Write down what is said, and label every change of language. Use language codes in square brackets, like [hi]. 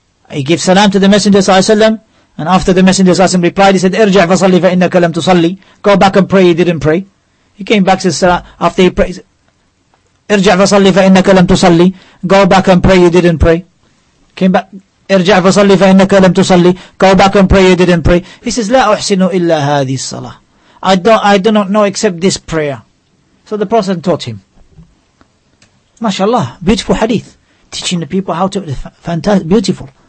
[en] He gave salam to the Messenger, and after the Messenger replied, he said, [ar] Irja' fa salli fa innaka lam tusalli. [en] Go back and pray. He didn't pray. He came back, said, salam, after he prayed, [ar] ارجع فصلي فإنك لم تصلي. [en] Go back and pray, you didn't pray. Came back, [ar] ارجع فصلي فإنك لم تصلي. [en] Go back and pray, you didn't pray. He says [ar] لا أحسن إلا هذه الصلاة. [en] I do not know except this prayer. So the Prophet taught him. MashaAllah, beautiful hadith. Teaching the people how to, fantastic, beautiful.